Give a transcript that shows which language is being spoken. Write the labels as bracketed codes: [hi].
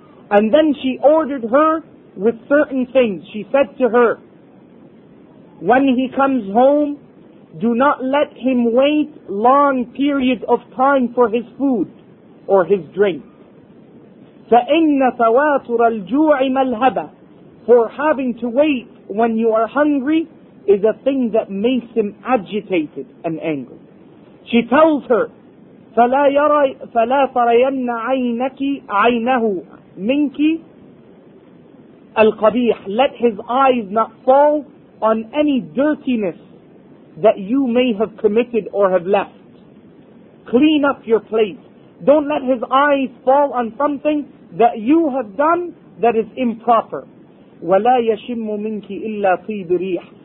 [en] And then she ordered her with certain things. She said to her, when he comes home, do not let him wait long period of time for his food or his drink. [ar] فَإِنَّ تَوَاتُرَ الْجُوعِ مَلْهَبًا. [en] For having to wait when you are hungry is a thing that makes him agitated and angry. She tells her, [ar] فَلَا تَرَيَنَّ عَيْنَكِ عَيْنَهُ مِنْكِ الْقَبِيحِ. [en] Let his eyes not fall on any dirtiness that you may have committed or have left. Clean up your plate. Don't let his eyes fall on something that you have done that is improper. [ar] وَلَا يَشِمُّ مِنْكِ إِلَّا طِيبِ رِيحٍ.